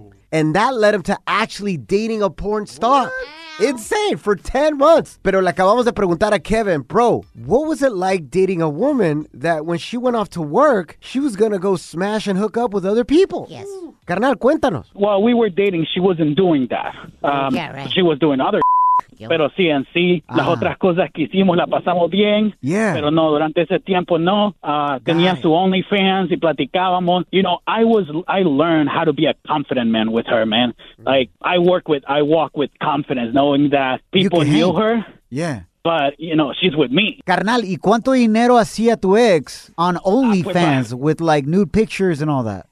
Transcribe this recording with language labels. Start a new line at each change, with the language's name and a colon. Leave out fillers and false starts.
English: And that led him to actually dating a porn star. What? Insane for 10 months.
Spanish: Pero le acabamos de preguntar a Kevin, bro,
English: what was it like dating a woman that when she went off to work, she was going to go smash and hook up with other people? Yes.
Spanish: Carnal, cuéntanos.
English: While we were dating, she wasn't doing that. She was doing other
Spanish: Pero sí, en sí, las otras cosas que hicimos las pasamos bien.
English: Yeah.
Spanish: Pero no, durante ese tiempo no. Tenía su OnlyFans y platicábamos.
English: You know, I learned how to be a confident man with her, man. Like, I walk with confidence, knowing that people knew her. Yeah. But, you know, she's with me.
Spanish: Carnal, ¿y cuánto dinero hacía tu ex
English: on OnlyFans with, like, nude pictures and all that?